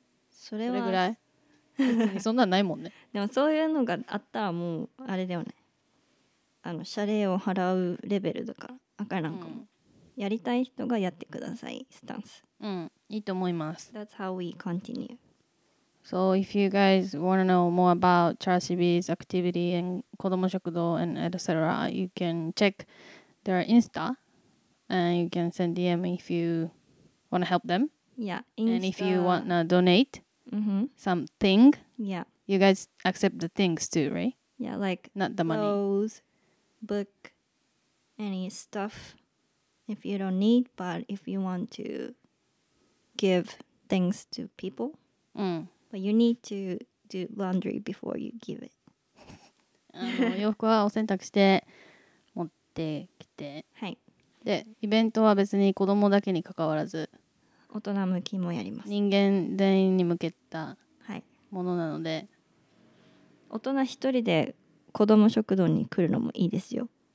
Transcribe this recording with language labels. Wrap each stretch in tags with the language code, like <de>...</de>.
<ja>それはそれぐらい。そんなんないもんね。でもそういうのがあったらもうあれだよね、あの謝礼を払うレベルとか、あからんかも、うん、やりたい人がやってくださいスタンス、うん、いいと思います。</ja> <en>That's how we continue. So if you guys want to know more about Charcy B's activity and Kodomo Shokudo and etc, you can check their Insta and you can send DM if you want to help them. Yeah, Insta. And if you want to donate、 mm-hmm. something, yeah, you guys accept the things too, right? Yeah, like not the money. Clothes, book, any stuff. If you don't need, but if you want to give things to people,、うん、 but you need to do laundry before you give it.</en> <ja>洋服はお洗濯して持ってきて、はい。で、イベントは別に子供だけに関わらず、大人向きもやります。人間全員に向けたものなので、はい、大人一人で子供食堂に来るのもいいですよ。</ja>